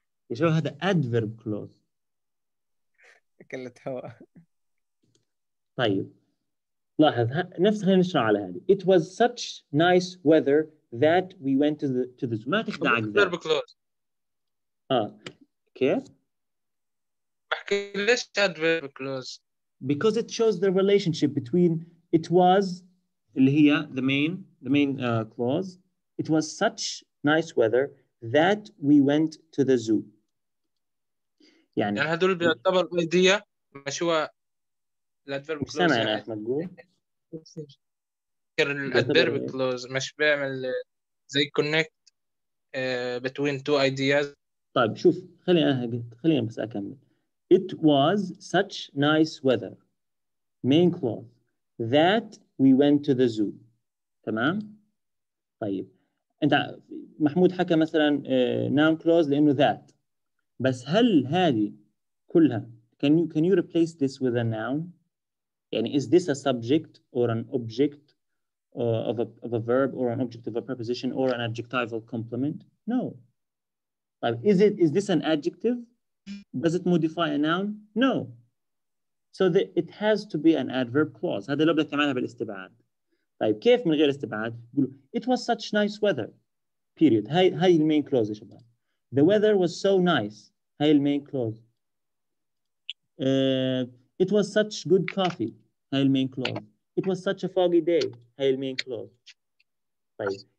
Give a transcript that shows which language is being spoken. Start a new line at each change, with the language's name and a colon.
Arabic: إيش هو هذا adverb clause؟ كلت هواء. طيب. لاحظ نفس خلينا نشرح على هذه.
English: It was such nice weather that we went to the zoo.
Arabic: ما تخدع.
English: Adverb clause.
Arabic: كيف؟ بحكي ليش adverb clause؟
English: Because it shows the relationship between it was
Arabic: اللي هي
English: the main clause. It was such nice weather that we went to the zoo.
Arabic: يعني هذول بيعتبر ايديا مش هو الادفيرب كلوز. سامع يا احمد جو الادفيرب كلوز مش بيعمل زي كونكت
English: between two ideas. طيب شوف خلينا بس أكمل. It was such nice weather. Main clause. That we went to the zoo. تمام؟ طيب.
Arabic: أنت محمود حكى مثلاً noun clause لأنه that. بس هل هذه كلها
English: can you replace this with a noun? يعني is this a subject or an object of a verb or an object of a preposition or an adjectival complement? No. طيب is this an adjective? Does it modify a noun? No. So that it has to be an adverb clause.
Arabic: هذا لابد تعملها بالاستبعاد. طيب كيف من غير استبعاد؟ يقول
English: it was such nice weather.
Arabic: Period. هاي المين كلوز يا شباب.
English: The weather was so nice.
Arabic: هاي المين كلوز.
English: It was such good coffee.
Arabic: هاي المين كلوز.
English: It was such a foggy day. هاي المين clause. طيب.